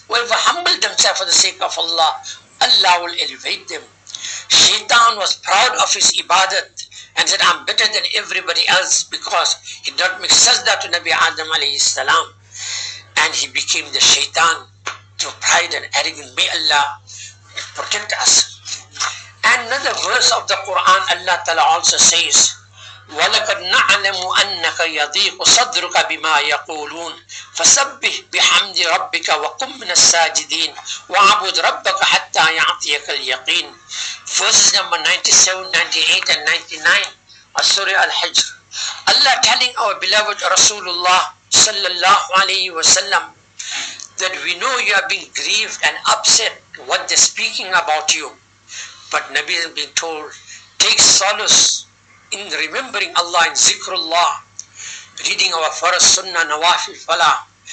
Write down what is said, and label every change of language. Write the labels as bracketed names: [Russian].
[English] Whoever humbled themselves for the sake of Allah, Allah will elevate them. Shaitan was proud of his ibadat and said, I'm better than everybody else because he did not make sajda to Nabi Adam alayhi salam. And he became the shaitan through pride and arrogance. May Allah protect us. Another verse of the Quran, Allah Ta'ala also says, [Arabic] وَلَكَدْ نَعْلَمُ أَنَّكَ يَضِيقُ صَدْرُكَ بِمَا يَقُولُونَ فَسَبِّحْ بِحَمْدِ رَبِّكَ وَقُمْ مِنَ السَّاجِدِينَ وَعَبُدْ رَبَّكَ حَتَّى يَعْطِيَكَ الْيَقِينَ. [English] Verses number 97, 98 and 99 of Surah Al-Hijr. Allah telling our beloved Rasulullah Sallallahu Alaihi Wasallam that we know you have been grieved and upset what they're speaking about you. But Nabi has been told, take solace in remembering Allah in Zikrullah, reading our Faraz Sunnah, Nawafil Falah.